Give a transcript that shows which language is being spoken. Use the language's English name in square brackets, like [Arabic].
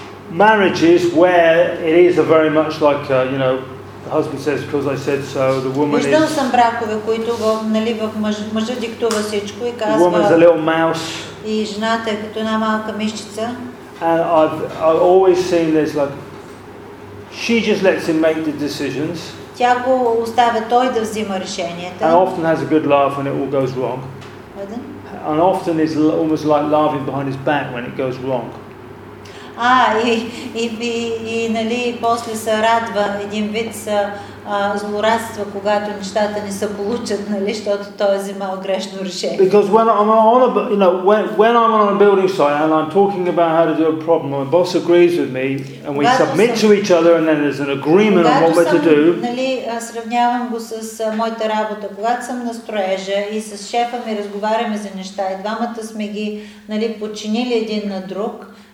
[English] marriages where it is a very much like, you know, the husband says, because I said so, the woman is... [Bulgarian] Виждал съм бракове, които го, нали, в мъжа диктува всичко и казва... [English] The woman's a little mouse. [Bulgarian] И жената е като една малка мишчица. [English] And I've always seen this, like, she just lets him make the decisions. [Bulgarian] Тя го оставя той да взима решенията. [English] And often has a good laugh when it all goes wrong. And often is almost like laughing behind his back when it goes wrong. [Bulgarian] А, и нали, после се радва, един вид са злорадства, когато нещата не се получат, нали, защото той е взимал грешно решение. [English] Because when I'm on a, you know, when I'm on a building site and I'm talking about how to do a problem, my boss agrees with me and we submit to each other and then there's an agreement on what we're to do. [Bulgarian] Нали, сравнявам го с моята работа, когато съм на строежа и с шефа ми разговаряме за неща и двамата сме ги, нали, подчинили един на друг.